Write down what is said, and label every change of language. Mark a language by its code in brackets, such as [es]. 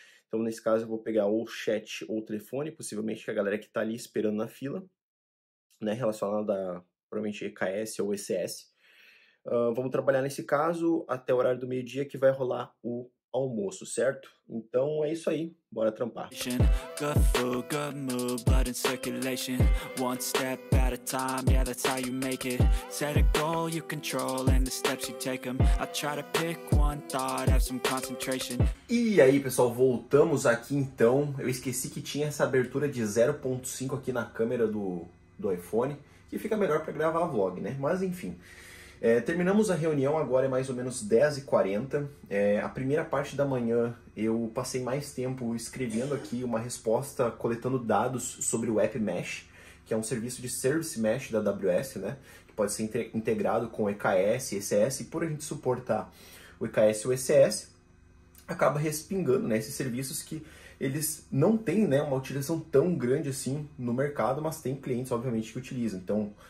[pt] Então nesse caso eu vou pegar ou chat ou telefone, possivelmente a galera que está ali esperando na fila, né, relacionada provavelmente EKS ou ECS. Vamos trabalhar nesse caso até o horário do meio-dia que vai rolar o almoço, certo? Então é isso aí, bora trampar. [en] Good food, good mood, blood in circulation. One step at a time, yeah, that's how you make it. Set a goal you control and the steps you take them. I try to pick one thought, have some concentration. [pt] E aí, pessoal, voltamos aqui então. Eu esqueci que tinha essa abertura de 0.5 aqui na câmera do iPhone, que fica melhor pra gravar vlog, né? Mas enfim. Terminamos a reunião, agora é mais ou menos 10h40, a primeira parte da manhã eu passei mais tempo escrevendo aqui uma resposta, coletando dados sobre o App Mesh, que é um serviço de Service Mesh da AWS, né, que pode ser integrado com EKS, ECS, e por a gente suportar o EKS e o ECS, acaba respingando, né, esses serviços que eles não têm, né, uma utilização tão grande assim no mercado, mas tem clientes, obviamente, que utilizam, então...